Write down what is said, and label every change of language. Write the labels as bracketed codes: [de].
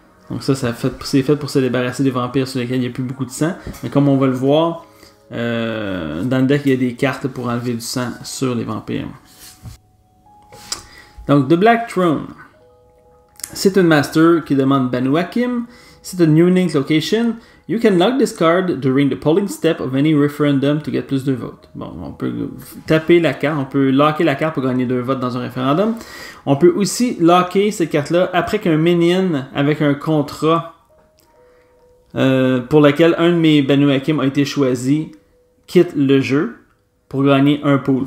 [fr] Donc ça c'est fait pour se débarrasser des vampires sur lesquels il n'y a plus beaucoup de sang. Mais comme on va le voir, dans le deck, il y a des cartes pour enlever du sang sur les vampires. Donc The Black Throne. C'est une master qui demande Banu Hakim. C'est une unique location. [en] You can lock this card during the polling step of any referendum to get [fr] plus de votes. Bon, on peut taper la carte, on peut locker la carte pour gagner 2 votes dans un référendum. On peut aussi locker cette carte-là après qu'un minion avec un contrat pour lequel un de mes Banu Hakim a été choisi quitte le jeu pour gagner un pool.